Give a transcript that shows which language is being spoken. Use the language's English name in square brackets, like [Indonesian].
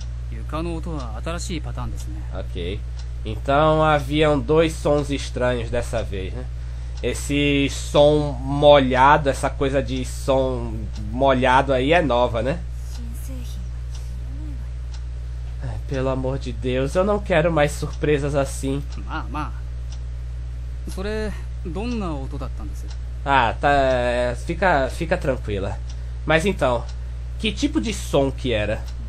[Japanese] 床の音と窓の音か。床の音は新しいパターンですね。 [English] Ok. [Portuguese] Então haviam dois sons estranhos dessa vez, né? Esse som molhado, essa coisa de som molhado aí é nova, né? Ai, pelo amor de Deus, eu não quero mais surpresas assim. [Japanese] まあまあ。それどんな音だったんです? [Portuguese] Ah, tá. Fica tranquila. Mas então, que tipo de som que era?